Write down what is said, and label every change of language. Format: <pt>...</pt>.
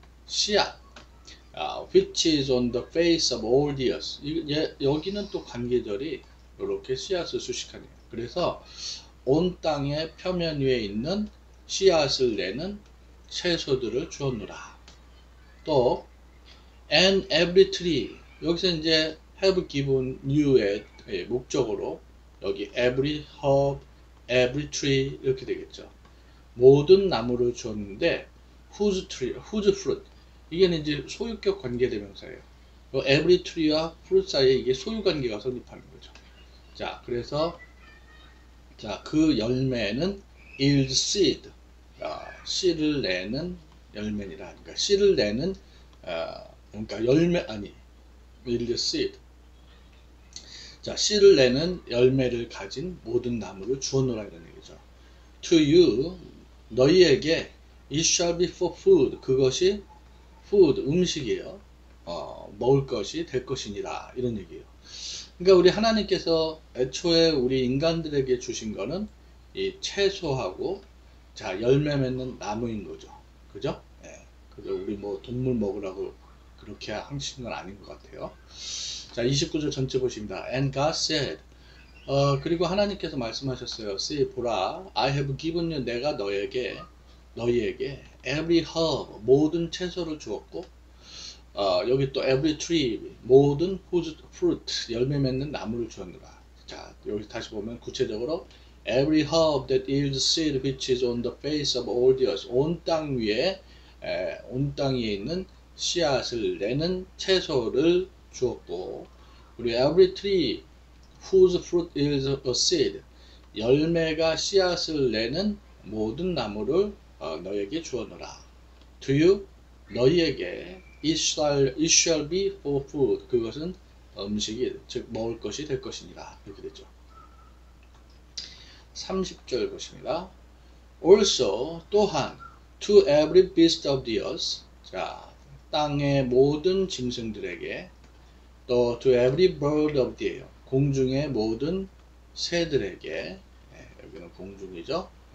<en>씨앗, which is on the face of all the earth.</en> <ko>여기는 또 관계절이 이렇게 씨앗을 수식하네요. 그래서 온 땅의 표면 위에 있는 씨앗을 내는 채소들을 주었노라. 또</ko> <en>and every tree.</en> <ko>여기서 이제</ko> <en>have given you의 목적으로 여기 every herb, every tree</en> <ko>이렇게 되겠죠. 모든 나무를 주었는데</ko> <en>whose tree, whose fruit?</en> <ko>이게 이제 소유격 관계대명사예요. every tree와 fruit 사이에 이게 소유관계가 성립하는 거죠. 자, 그래서 자, 그 열매는</ko> <en>yield seed.</en> <ko>씨를 내는 열매니라 하니까 씨를 내는 그러니까 열매 아니</ko> <en>yield seed.</en> <ko>자, 씨를 내는 열매를 가진 모든 나무를 주었노라 이런 얘기죠.</ko> <en>To you,</en> <ko>너희에게</ko> <en>it shall be for food.</en> <ko>그것이 food 음식이에요. 먹을 것이 될 것이니라 이런 얘기예요. 그러니까 우리 하나님께서 애초에 우리 인간들에게 주신 거는 이 채소하고 자, 열매 맺는 나무인 거죠. 그죠? 예. 그죠? 우리 뭐 동물 먹으라고 그렇게 하신 건 아닌 것 같아요. 자, 29절 전체 보십니다.</ko> <en>And God said,</en> <ko>그리고 하나님께서 말씀하셨어요. See, 보라,</ko> <en>I have given you,</en> <ko>내가 너희에게</ko> <en>every herb,</en> <ko>모든 채소를 주었고, 여기 또</ko> <en>every tree,</en> <ko>모든</ko> <en>whose fruit,</en> <ko>열매 맺는 나무를 주었느라. 자, 여기 다시 보면 구체적으로,</ko> <en>Every herb that yields seed which is on the face of all the earth.</en> <ko>온 땅에 있는 씨앗을 내는 채소를 주었고, 우리</ko> <en>every tree whose fruit is a seed.</en> <ko>열매가 씨앗을 내는 모든 나무를 너에게 주었노라.</ko> <en>To you,</en> <ko>너희에게</ko> <en>it shall be for food.</en> <ko>그것은 음식이, 즉, 먹을 것이 될 것이니라. 이렇게 되죠. 30절 보십니다. Also, 또한,</ko> <en>to every beast of the earth,</en> <ko>자, 땅의 모든 짐승들에게, 또</ko> <en>to every bird of the air,</en> <ko>공중의 모든 새들에게, 여기는 공중이죠.</ko>